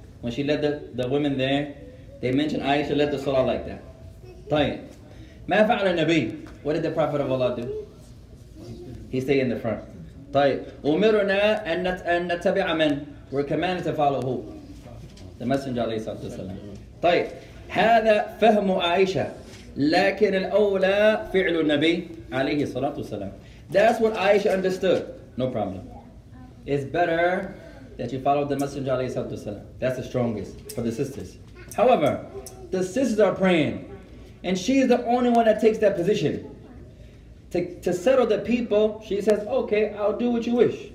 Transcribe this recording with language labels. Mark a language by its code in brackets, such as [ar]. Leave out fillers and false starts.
[en] When she led the women there, they mentioned Aisha led the salah like that. Tayyip. [ar] Ma fa'ala nabi. [en] What did the Prophet of Allah do? He stayed in the front. Tayyip. [ar] Umiruna an nattabi'a man. [en] We're commanded to follow who? The Messenger alayhi salatu wasalam. Tayyip. [ar] هذا فهم عائشة لكن الأولى فعل النبي عليه الصلاة والسلام. [en] That's what Aisha understood. No problem. It's better that you follow the Messenger [ar] عليه الصلاة والسلام. [en] That's the strongest for the sisters. However, the sisters are praying and she is the only one that takes that position. To settle the people, she says, okay, I'll do what you wish.